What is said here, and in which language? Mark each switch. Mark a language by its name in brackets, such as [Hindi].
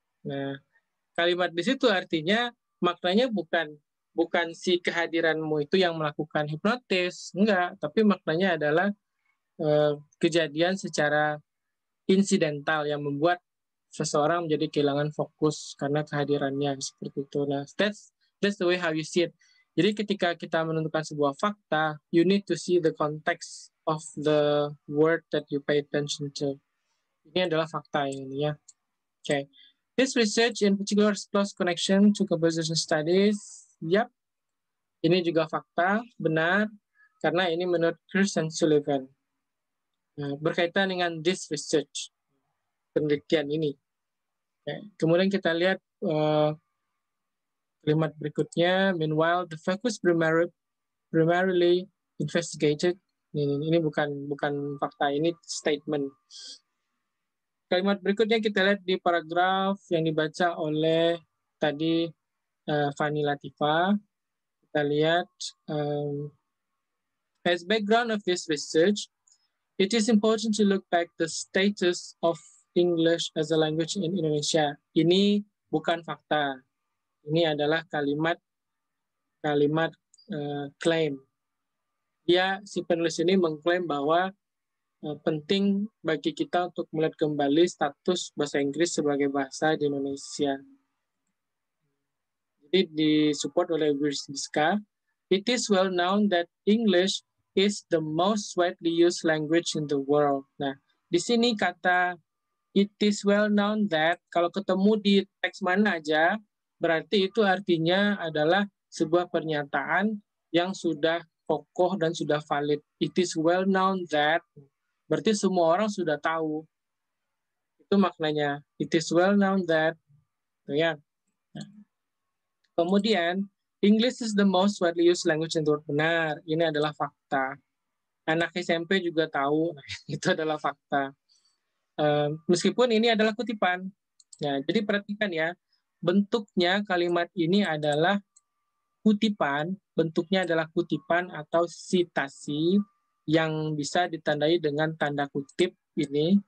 [Indonesian] Nah, kalimat di situ artinya, maknanya bukan si kehadiranmu itu yang melakukan hipnotis, enggak, tapi maknanya adalah kejadian secara insidental yang membuat seseorang menjadi kehilangan fokus karena kehadirannya, seperti itu. [English] Nah, that's the way how you see it. [Indonesian] Jadi ketika kita menentukan sebuah fakta, [English] you need to see the context of the word that you pay attention to. [Indonesian] Ini adalah fakta yang ini ya. Oke. Okay. [English] This research in particular explores connection to composition studies. [Indonesian] Yap, ini juga fakta, benar, karena ini menurut Chris and Sullivan. Berkaitan dengan [English] this research, [Indonesian] penelitian ini. Kemudian kita lihat kalimat berikutnya, [English] meanwhile, the focus primarily investigated, [Indonesian] ini bukan fakta, ini statement. Kalimat berikutnya kita lihat [English] di paragraf yang dibaca oleh tadi, Fani Latifa, kita lihat as background of this research, it is important to look back the status of English as a language in Indonesia. [Indonesian] Ini bukan fakta, ini adalah kalimat claim. Dia si penulis ini mengklaim bahwa penting bagi kita untuk melihat kembali status bahasa Inggris sebagai bahasa di Indonesia. Jadi disupport oleh [English] Wiris Diska, it is well known that English is the most widely used language in the world. [Indonesian] Nah, di sini kata [English] it is well known that, [Indonesian] kalau ketemu di teks mana aja, berarti itu artinya adalah sebuah pernyataan yang sudah kokoh dan sudah valid. [English] It is well known that, [Indonesian] berarti semua orang sudah tahu. Itu maknanya, [English] it is well known that. [Indonesian] Ya. [English] Kemudian, English is the most widely used language in the world. [Indonesian] Benar, ini adalah fakta. Anak SMP juga tahu, itu adalah fakta. Meskipun ini adalah kutipan. Ya, jadi perhatikan ya, bentuknya kalimat ini adalah kutipan, bentuknya adalah kutipan atau sitasi yang bisa ditandai dengan tanda kutip ini.